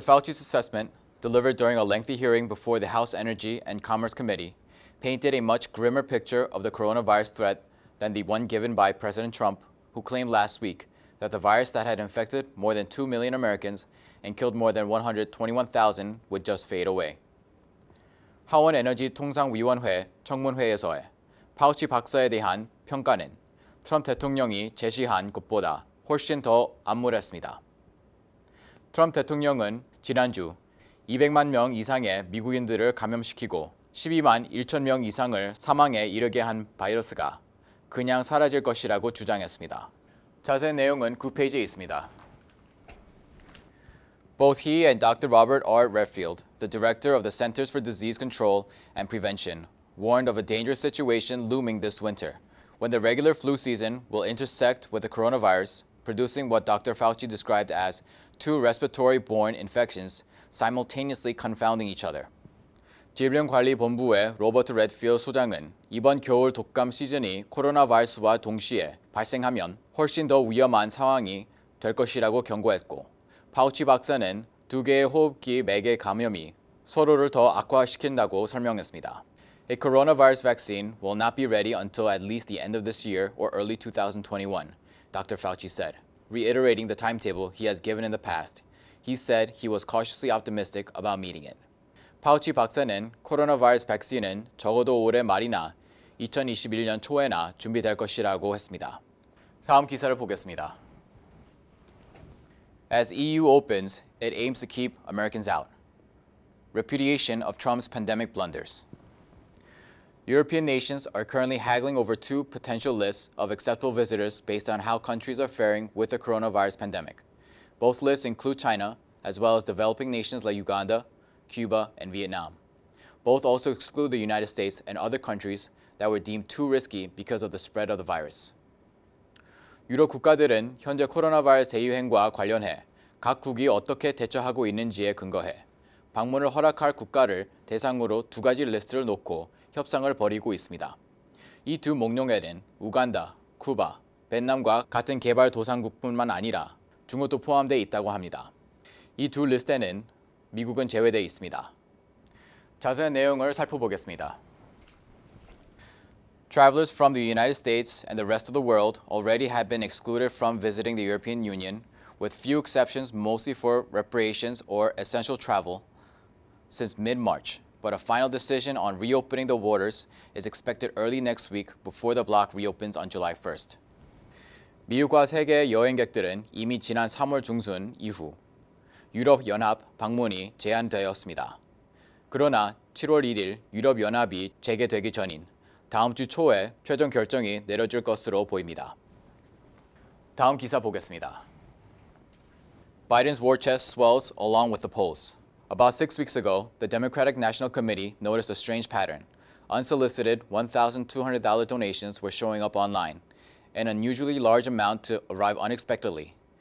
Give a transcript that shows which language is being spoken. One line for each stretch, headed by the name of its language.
English: Fauci's assessment, delivered during a lengthy hearing before the House Energy and Commerce Committee, painted a much grimmer picture of the coronavirus threat than the one given by President Trump, who claimed last week that the virus that had infected more than 2 million Americans and killed more than 121,000 would just fade away.
Korean: 하원 에너지 통상위원회 청문회에서의 파우치 박사에 대한 평가는 트럼프 대통령이 제시한 것보다 훨씬 더 암울했습니다. 트럼프 대통령은 지난주 200만 명 이상의 미국인들을 감염시키고 12만 1천 명 이상을 사망에 이르게 한 바이러스가 그냥 사라질 것이라고 주장했습니다. 자세한 내용은 9페이지에 있습니다.
English: Both he and Dr. Robert R. Redfield, the director of the Centers for Disease Control and Prevention, warned of a dangerous situation looming this winter, when the regular flu season will intersect with the coronavirus, producing what Dr. Fauci described as two respiratory-borne infections simultaneously confounding each other.
Korean: 질병관리본부의 로버트 레드필 소장은 이번 겨울 독감 시즌이 코로나 바이러스와 동시에 발생하면 훨씬 더 위험한 상황이 될 것이라고 경고했고, 파우치 박사는 두 개의 호흡기 매개 감염이 서로를 더 악화시킨다고 설명했습니다.
English: A coronavirus vaccine will not be ready until at least the end of this year or early 2021, Dr. Fauci said, reiterating the timetable he has given in the past. He said he was cautiously optimistic about meeting it.
Korean: 파우치 박사는 코로나바이러스 백신은 적어도 올해 말이나 2021년 초에나 준비될 것이라고 했습니다. 다음 기사를 보겠습니다.
English: As EU opens, it aims to keep Americans out. Repudiation of Trump's pandemic blunders. European nations are currently haggling over two potential lists of acceptable visitors based on how countries are faring with the coronavirus pandemic. Both lists include China, as well as developing nations like Uganda, Cuba, and Vietnam. Both also exclude the United States and other countries that were deemed too risky because of the spread of the virus.
Korean: 유럽 국가들은 현재 코로나 바이러스 대유행과 관련해 각 국이 어떻게 대처하고 있는지에 근거해 방문을 허락할 국가를 대상으로 두 가지 리스트를 놓고 협상을 벌이고 있습니다. 이 두 목록에는 우간다, 쿠바, 베트남과 같은 개발 도상국뿐만 아니라 중국도 포함되어 있다고 합니다. 이 두 리스트에는 미국은 제외되어 있습니다. 자세한 내용을 살펴보겠습니다.
English: Travelers from the United States and the rest of the world already have been excluded from visiting the European Union, with few exceptions mostly for reparations or essential travel, since mid-March. But a final decision on reopening the borders is expected early next week before the bloc reopens on July 1st.
Korean: 미국과 세계 여행객들은 이미 지난 3월 중순 이후 유럽연합 방문이 제한되었습니다. 그러나 7월 1일 유럽연합이 재개되기 전인 다음 주 초에 최종 결정이 내려질 것으로 보입니다. 다음 기사 보겠습니다.
English: Biden's war chest swells along with the polls. About 6 weeks ago, the Democratic National Committee noticed a strange pattern. Unsolicited $1,200 donations were showing up online, an unusually large amount to arrive unexpectedly.